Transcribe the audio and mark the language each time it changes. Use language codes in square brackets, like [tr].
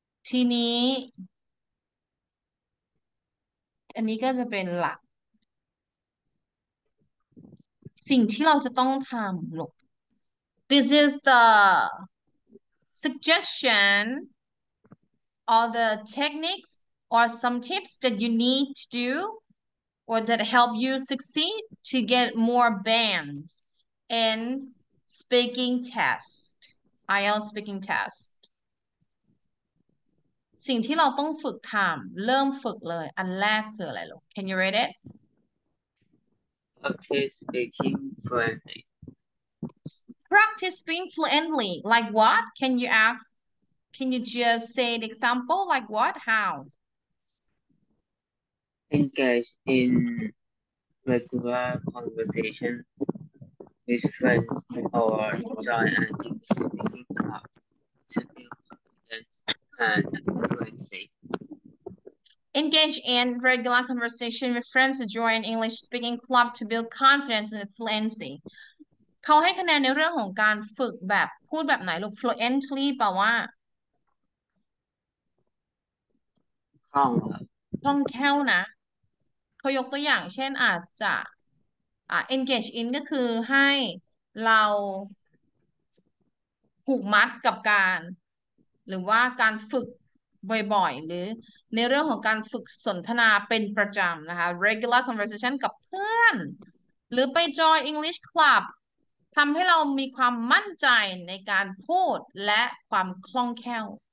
[th] ทีนี้อันนี้ก็จะเป็นหลักสิ่งที่เราจะต้องทำลูก [en] This is the suggestion or the techniques or some tips that you need to do or that help you succeed to get more bands and [th] speaking test IELTS speaking test สิ่งที่เราต้องฝึกทำเริ่มฝึกเลยอันแรกคืออะไรลูก [en] Can you read it Practice speaking fluently. Practice speaking fluently like what Can you ask Can you just say an example like what How Engage in regular conversations with friends or online and in speaking club to build confidence and fluency. Engage in regular conversation with friends to join English speaking club to build confidence and fluency. [th] เขาให้คะแนนในเรื่องของการฝึกแบบพูดแบบไหนลูก fluently แปลว่า คล่องครับ คล่องแคล่วนะเขายกตัวอย่างเช่นอาจจะengage in ก็คือให้เราผูกมัดกับการหรือว่าการฝึกบ่อยๆหรือในเรื่องของการฝึกสนทนาเป็นประจำนะคะ regular conversation กับเพื่อนหรือไป join English club ทำให้เรามีความมั่นใจในการพูดและความคล่องแคล่ว